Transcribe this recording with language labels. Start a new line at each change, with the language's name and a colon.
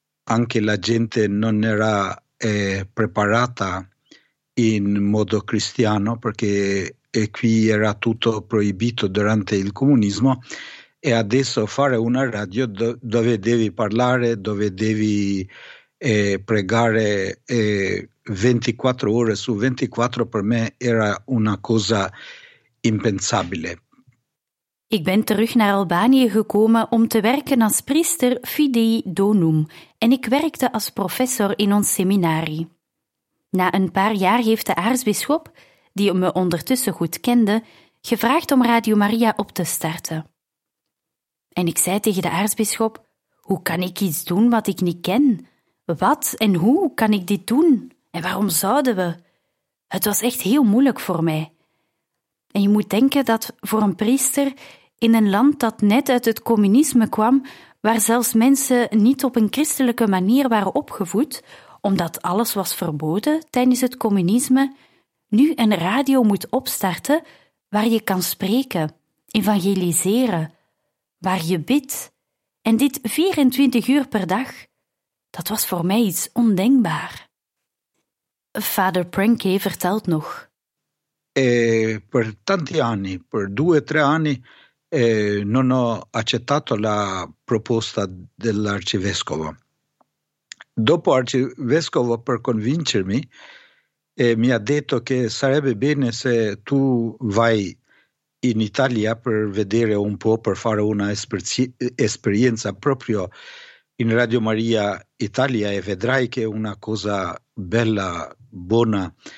Italian: anche la gente non era preparata in modo cristiano, perché qui era tutto proibito durante il comunismo, e adesso fare una radio dove devi parlare, dove devi pregare 24 ore su 24, per me era una cosa impensabile.
Dutch: Ik ben terug naar Albanië gekomen om te werken als priester Fidei Donum en ik werkte als professor in ons seminarie. Na een paar jaar heeft de aartsbisschop, die me ondertussen goed kende, gevraagd om Radio Maria op te starten. En ik zei tegen de aartsbisschop, hoe kan ik iets doen wat ik niet ken? Wat en hoe kan ik dit doen? En waarom zouden we? Het was echt heel moeilijk voor mij. En je moet denken dat voor een priester in een land dat net uit het communisme kwam, waar zelfs mensen niet op een christelijke manier waren opgevoed, omdat alles was verboden tijdens het communisme, nu een radio moet opstarten waar je kan spreken, evangeliseren, waar je bidt. En dit 24 uur per dag, dat was voor mij iets ondenkbaar. Vader Prenke vertelt nog.
Italian: Per tanti anni, per 2 o 3 anni, non ho accettato la proposta dell'arcivescovo. Dopo l'arcivescovo, per convincermi, mi ha detto che sarebbe bene se tu vai in Italia per vedere un po', per fare una esperienza proprio in Radio Maria Italia, e vedrai che è una cosa bella, buona.